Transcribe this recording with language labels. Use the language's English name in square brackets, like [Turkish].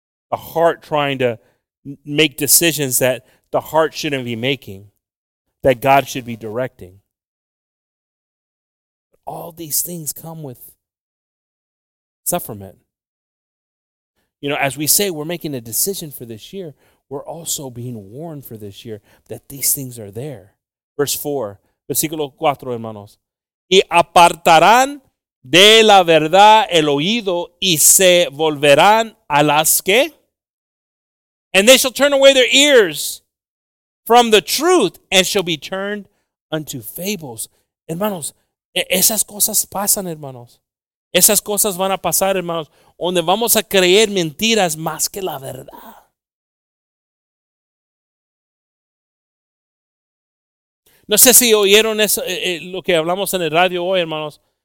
[English] The heart trying to make decisions that the heart shouldn't be making, that God should be directing. But all these things come with sufferment. You know, as we say, we're making a decision for this year. We're also being warned for this year that these things are there. Verse 4, [Spanish] versículo 4, hermanos. Y apartarán de la verdad el oído y se volverán a las que... [English] And they shall turn away their ears from the truth and shall be turned unto fables. [Spanish] Hermanos, esas cosas pasan, hermanos. Esas cosas van a pasar, hermanos, donde vamos a creer mentiras más que la verdad. No sé si oyeron eso, lo que hablamos en el radio hoy, hermanos,